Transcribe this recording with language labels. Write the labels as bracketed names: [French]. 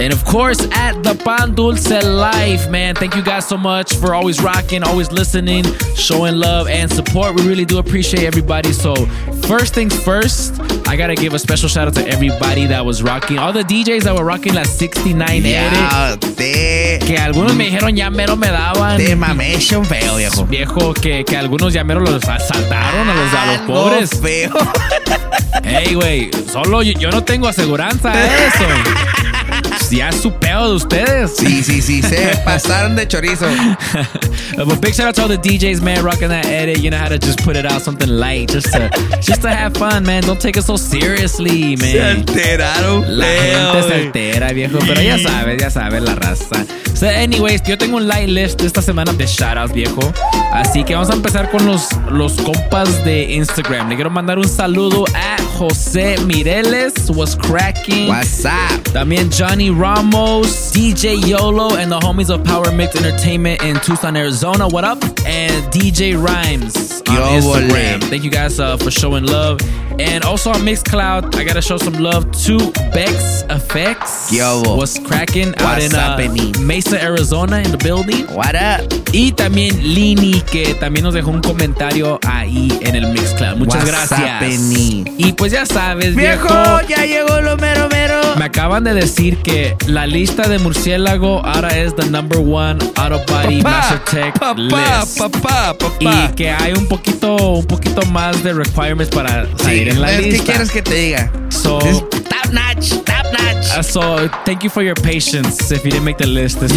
[English] And of course, at The Pan Dulce Life, man. Thank you guys so much for always rocking, always listening, showing love and support. We really do appreciate everybody. So, first things first, I gotta give a special shout out to everybody that was rocking. All the DJs that were rocking la 69 edit. [Spanish] Yeah, de, que algunos me dijeron ya mero me daban. De mamation feo, viejo. Viejo, que algunos ya mero los asaltaron a los pobres. Algo feo. Hey, güey, solo yo no tengo aseguranza de eso. Ya es su peo de ustedes. Sí, sí, sí, se pasaron de chorizo. [English] But big shout out to all the DJs, man, rocking that edit. You know how to just put it out, something light, just to have fun, man. Don't take it so seriously, man. [Spanish] Se alteraron. La gente se altera, viejo, pero ya sabes la raza. [English] So anyways, [Spanish] yo tengo un light list esta semana de shout outs, viejo. Así que vamos a empezar con los compas de Instagram. Le quiero mandar un saludo a José Mireles, [English] was cracking. What's up? También Johnny Ramos, DJ YOLO, and the homies of Power Mix Entertainment in Tucson, Arizona. What up? And DJ Rhymes on Instagram. Thank you guys for showing love. And also on Mixcloud, I gotta show some love to Bex Effects. Yo, what's cracking out in Mesa, Arizona, in the building. What up? [Spanish] Y también Lini, que también nos dejó un comentario ahí en el Mixcloud. Muchas [English] what's [Spanish] gracias. Happeni? Y pues ya sabes, viejo, ya llegó lo mero mero. Me acaban de decir que la lista de Murciélago ahora es [English] the number one out of body Mastertech list. [Spanish] Y que hay un poquito más de requirements para salir en la lista. ¿Qué quieres que te diga? [English] So, top notch. So, thank you for your patience if you didn't make the list this